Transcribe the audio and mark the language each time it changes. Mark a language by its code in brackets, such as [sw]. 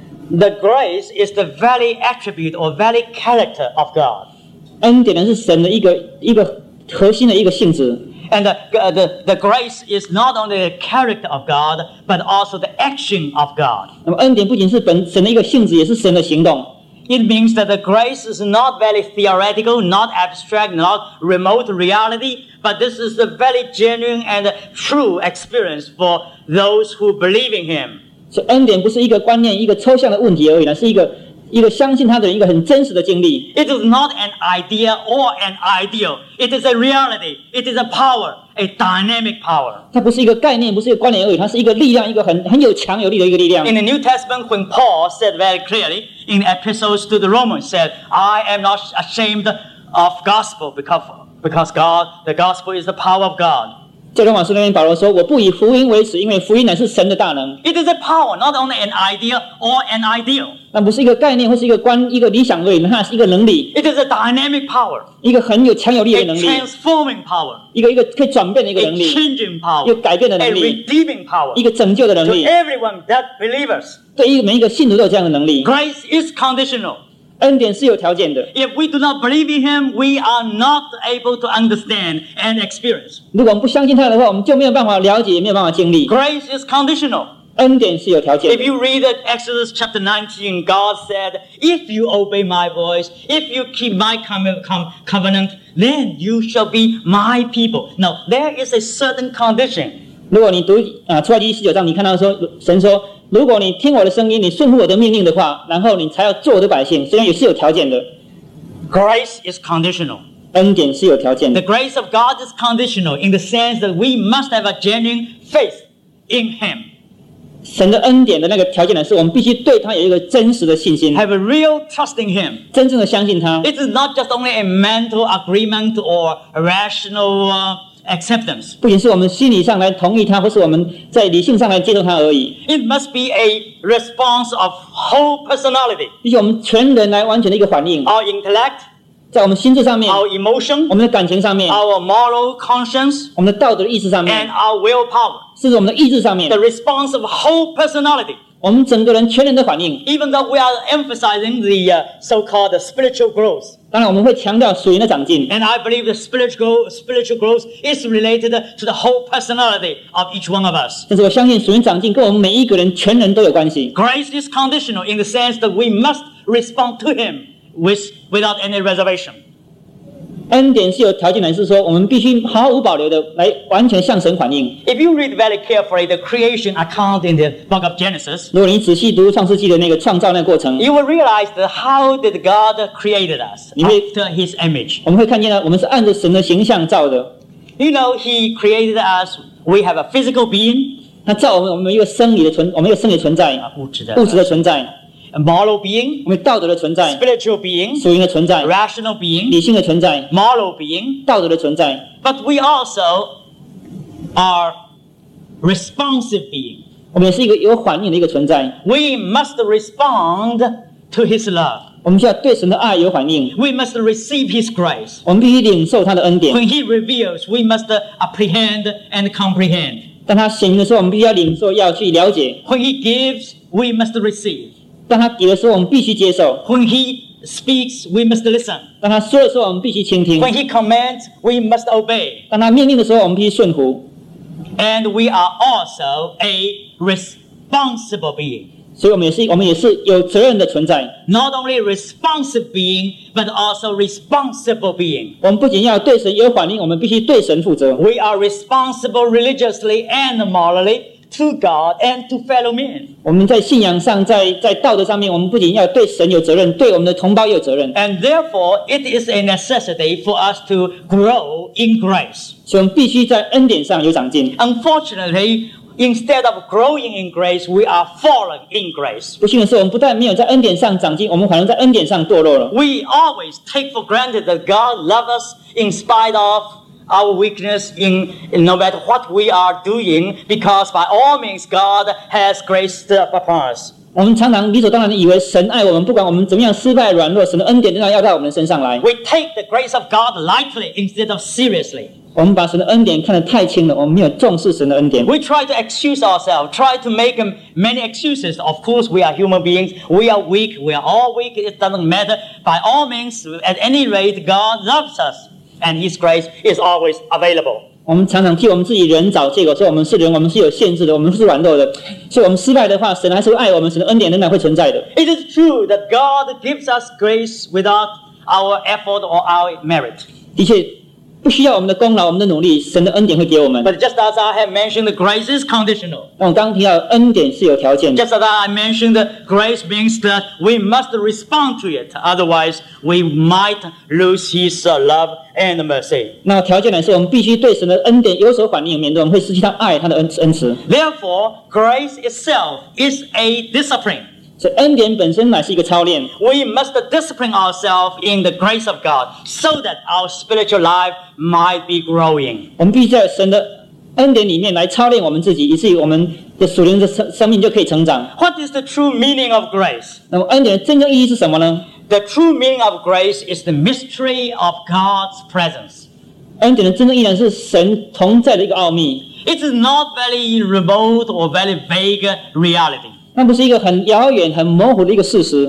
[en] The grace is the very attribute or very character of God. [zh] 恩典是神的一个核心的一个性质。 [en] And the grace is not only the character of God, but also the action of God. [zh] 那么恩典不仅是神的一个性质，也是神的行动。 [en] It means that the grace is not very theoretical, not abstract, not remote reality, but this is a very genuine and true experience for those who believe in Him. [zh] So, 恩典不是一个观念，一个抽象的问题而已，是一个相信他的一个很真实的经历。 [en] It is not an idea or an ideal. It is a reality. It is a power, a dynamic power. [zh] 它不是一个概念，不是一个观念而已，它是一个力量，一个很有强有力的一个力量。 [en] In the New Testament, when Paul said very clearly in epistles to the Romans, said, "I am not ashamed of gospel because God, the gospel is the power of God." [zh] 在罗马书那边，保罗说，我不以福音为耻，因为福音乃是神的大能。 [en] It is a power, not only an idea or an ideal. [zh] 那不是一个概念或是一个理想而已，它是一个能力。 [en] It is a dynamic power， [zh] 一个很有强有力的能力。 [en] A transforming power， [zh] 一个可以转变的一个能力。 [en] A changing power， [zh] 一个改变的能力。 [en] A redeeming power， [zh] 一个拯救的能力。 [en] To everyone that believers， [zh] 对于每一个信徒都有这样的能力。 [en] Grace is conditional， [zh] 恩典是有条件的。 [en] If we do not believe in Him， we are not able to understand and experience。 [zh] 如果我们不相信他的话，我们就没有办法了解，也没有办法经历。 [en] Grace is conditional。 [zh] 恩典是有条件的。 [en] If you read Exodus chapter 19, God said, "If you obey my voice, if you keep my covenant, then you shall be my people." Now there is a certain condition. [zh] 如果你读出埃及记19章，你看到说神说，如果你听我的声音，你顺服我的命令的话，然后你才要做我的百姓。虽然也是有条件的。 [en] Grace is conditional. [zh] 恩典是有条件的。 [en] The grace of God is conditional in the sense that we must have a genuine faith in Him. [zh] 神的恩典的那个条件呢，是我们必须对他有一个真实的信心。 [en] Have a real trust in Him， [zh] 真正的相信他。 [en] It is not just only a mental agreement or rational acceptance， [zh] 不仅是我们心理上来同意他，或是我们在理性上来接受他而已。 [en] It must be a response of whole personality， [zh] 以及我们全人来完全的一个反应。 [en] Our intellect， [zh] 在我们心智上面。 [en] Our emotion， [zh] 我们的感情上面。 [en] Our moral conscience， [zh] 我们的道德的意识上面。 [en] And our willpower。 [zh] 是我们的意志上面 [en] ，the response of whole personality， [zh] 我们整个人全人的反应。 [en] Even though we are emphasizing the so-called spiritual growth， [zh] 当然我们会强调属灵的长进。 [en] And I believe the spiritual growth is related to the whole personality of each one of us。 [zh] 但是我相信属灵长进跟我们每一个人全人都有关系。 [en] Grace is conditional in the sense that we must respond to Him without any reservation。 [zh] 恩典是有条件的，是说我们必须毫无保留的来完全向神反应。 [en] If you read very carefully the creation account in the book of Genesis， [zh] 如果你仔细读创世纪的那个创造那个过程， [en] you will realize that how did God created us after His image。 [zh] 我们会看见呢，我们是按着神的形象造的。 [en] You know He created us， we have a physical being。 [zh] 他造我们一个生理的存，我们一个生理存在，物质的存在。 [en] A moral being， [zh] 我们道德的存在 [en] ；spiritual being， [zh] 属灵的存在 [en] ；rational being， [zh] 理性的存在 [en] ；moral being， [zh] 道德的存在。 [en] But we also are responsive being， [zh] 我们也是一个有反应的一个存在。 [en] We must respond to His love， [zh] 我们需要对神的爱有反应。 [en] We must receive His grace， [zh] 我们必须领受他的恩典。 [en] When He reveals， we must apprehend and comprehend， [zh] 当他显明的时候，我们必须要领受，要去了解。 [en] When He gives， we must receive。 [zh] 当他给的时候，我们必须接受。 [en] When He speaks, we must listen。 [zh] 当他说的时候，我们必须倾听。 [en] When He commands, we must obey。 [zh] 当他命令的时候，我们必须顺服。 [en] And we are also a responsible being。 [zh] 所以我们也是有责任的存在。 [en] Not only responsive being, but also responsible being。 [zh] 我们不仅要对神有反应，我们必须对神负责。 [en] We are responsible religiously and morally。 to God and to fellow men. [zh] 我们在信仰上，在道德上面，我们不仅要对神有责任，对我们的同胞也有责任。 [en] And therefore, it is a necessity for us to grow in grace. [zh] 所以我们必须在恩典上有长进。 [en] Unfortunately, instead of growing in grace, we are falling in grace. [zh] 不幸的是，我们不但没有在恩典上长进，我们反而在恩典上堕落了。 [en] We always take for granted that God loves us in spite of. Our weakness in no matter what we are doing, because by all means God has grace upon us. [zh] 我们常常理所当然的以为神爱我们，不管我们怎么样失败软弱，神的恩典仍然要在我们身上来。 [en] We take the grace of God lightly instead of seriously. [zh] 我们把神的恩典看得太轻了，我们没有重视神的恩典。 [en] We try to excuse ourselves, try to make many excuses. Of course, we are human beings. We are weak. We are all weak. It doesn't matter. By all means, at any rate, God loves us. And His grace is always available. [zh] 我们常常替我们自己人找借口，说我们是人，我们是有限制的，我们是软弱的。所以，我们失败的话，神还是会爱我们，神的恩典仍然会存在的。 [en] It is true that God gives us grace without our effort or our merit. [zh] 的确，不需要我们的功劳，我们的努力，神的恩典会给我们。 [en] But just as I have mentioned, grace is conditional. [zh] 我刚提到恩典是有条件的。 [en] Just as I mentioned, grace means that we must respond to it, otherwise we might lose His love. And mercy. [zh] 那条件呢？是我们必须对神的恩典有所反应，免得我们会失去他爱他的恩慈。 [en] Therefore, grace itself is a discipline. [zh] 所以恩典本身乃是一个操练。 [en] We must discipline ourselves in the grace of God, so that our spiritual life might be growing. [zh] 我们必须在神的恩典里面来操练我们自己，以至于我们的属灵的生命就可以成长。 [en] What is the true meaning of grace? [zh] 那么恩典的真正意义是什么呢？ [en] The true meaning of grace is the mystery of God's presence. [zh] 恩典的真正意义是神同在的一个奥秘。 [en] It is not very remote or very vague reality. [zh] 那不是一个很遥远、很模糊的一个事实。